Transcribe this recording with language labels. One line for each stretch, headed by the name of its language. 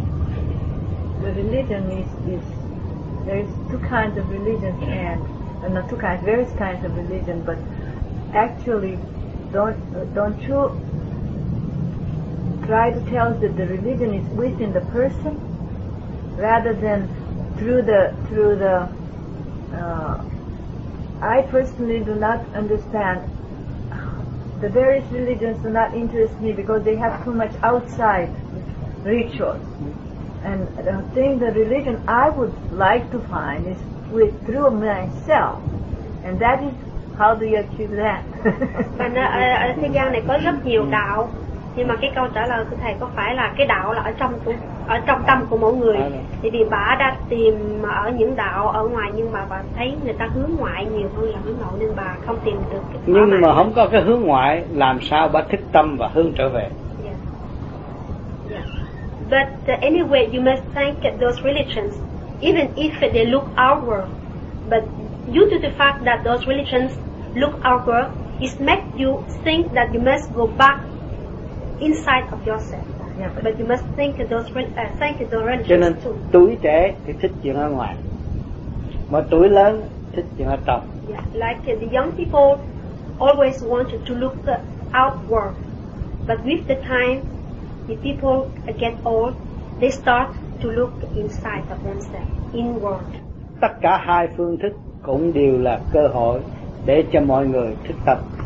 English: The religion is there is two kinds of religion, and not two kinds, various kinds of religion, but actually don't you try to tell us that the religion is within the person rather than through the I personally do not understand. The various religions do not interest me because they have too much outside rituals. And the thing, the religion I would like to find is with through myself. And that is how do you achieve that?
Vietnamese: Còn ở thế gian này có rất nhiều đạo, nhưng mà cái câu trả lời của thầy có phải là cái đạo là ở trong tâm của mỗi người? Thì vì bà đã tìm ở những đạo ở ngoài, nhưng mà bà thấy người ta hướng ngoại nhiều hơn là hướng nội, nên bà không tìm được cái đó. Nhưng mà không có cái hướng ngoại, làm sao bà thức tâm và hướng trở về?
English: But anyway, you must thank those religions, even if they look outward. But due to the fact that those religions look outward, it makes you think that you must go back inside of yourself. Yeah, but you must thank those religions too.
Vietnamese: Cho nên tuổi trẻ thì thích chuyện ở ngoài, mà tuổi lớn thích chuyện ở trong.
English: Yeah, like the young people always want to look outward, but with the time, the people get old, they start to look inside of themselves, inward.
Vietnamese: Tất cả hai phương thức cũng đều là cơ hội để cho mọi người thức tập.